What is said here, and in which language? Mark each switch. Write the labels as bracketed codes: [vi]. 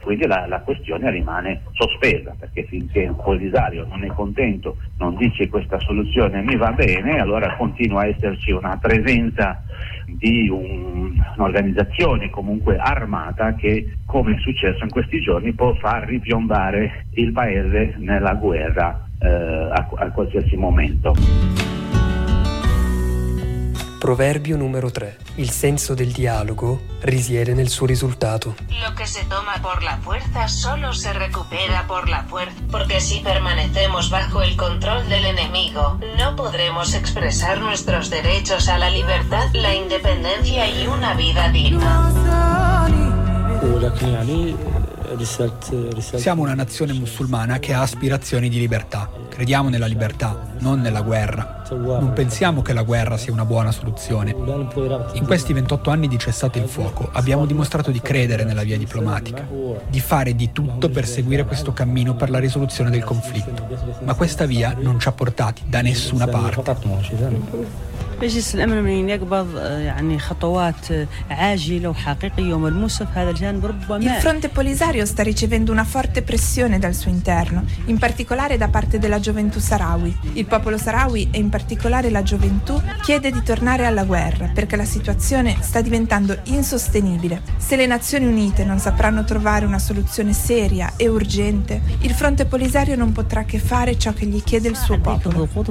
[it] Quindi la questione rimane sospesa, perché finché un Polisario non è contento, non dice questa soluzione mi va bene, allora continua a esserci una presenza di un'organizzazione comunque armata che, come è successo in questi giorni, può far ripiombare il paese nella guerra a qualsiasi momento. Proverbio numero 3. Il senso del dialogo risiede nel suo risultato. [es] Lo che se toma por la fuerza solo se recupera por la fuerza. Porque si permanecemos bajo el control del enemigo, no podremos expresar nuestros derechos a la libertad, la independencia y una vida digna. [it] Siamo una nazione musulmana che ha aspirazioni di libertà. Crediamo nella libertà, non nella guerra. Non pensiamo che la guerra sia una buona soluzione. In questi 28 anni di cessate il fuoco, abbiamo dimostrato di credere nella via diplomatica, di fare di tutto per seguire questo cammino per la risoluzione del conflitto. Ma questa via non ci ha portati da nessuna parte. [ar] مجلس الأمن من يقبض يعني خطوات عاجلة وحقيقية وملموسة في هذا الجانب ربما. [it] Il fronte Polisario sta ricevendo una forte pressione dal suo interno, in particolare da parte della gioventù Sahrawi. Il popolo Sahrawi e in particolare la gioventù chiede di tornare alla guerra perché la situazione sta diventando insostenibile. Se le Nazioni Unite non sapranno trovare una soluzione seria e urgente, il fronte Polisario non potrà che fare ciò che gli chiede il suo popolo.